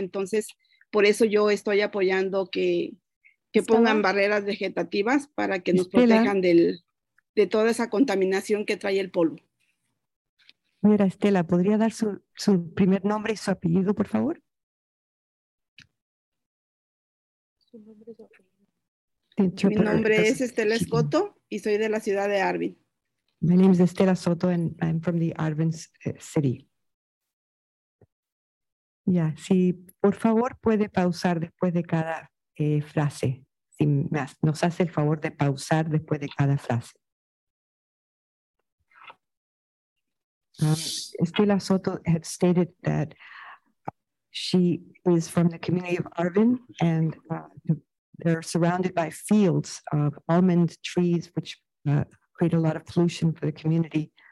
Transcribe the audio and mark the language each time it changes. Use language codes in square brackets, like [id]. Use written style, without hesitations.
[es] Entonces, por eso yo estoy apoyando que pongan barreras vegetativas para que nos protejan de toda esa contaminación que trae el polvo. Señora Estela, ¿podría dar su primer nombre y su apellido, por favor? Mi nombre es Estela Escoto y soy de la ciudad de Arvin. [en] My name is Estela Soto and I'm from the Arvin City. [es] Yeah, si por favor puede pausar después de cada frase. Si nos hace el favor de pausar después de cada frase. [en] Estela Soto had stated that she is from the community of Arvin and they're surrounded by fields of almond trees, which create a lot of pollution for the community.